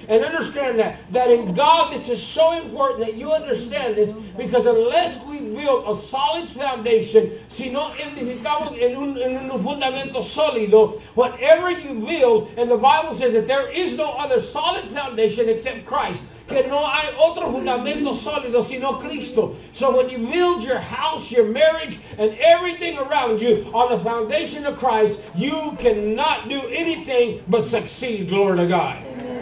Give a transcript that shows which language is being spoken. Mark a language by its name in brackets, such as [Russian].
[English] And understand that in God, this is so important that you understand this, because unless we build a solid foundation, [Spanish] si no edificamos en un fundamento sólido, [English] whatever you build, and the Bible says that there is no other solid foundation except Christ. [Spanish] Que no hay otro fundamento sólido sino Cristo. [English] So when you build your house, your marriage, and everything around you on the foundation of Christ, you cannot do anything but succeed. Glory to God. Amen.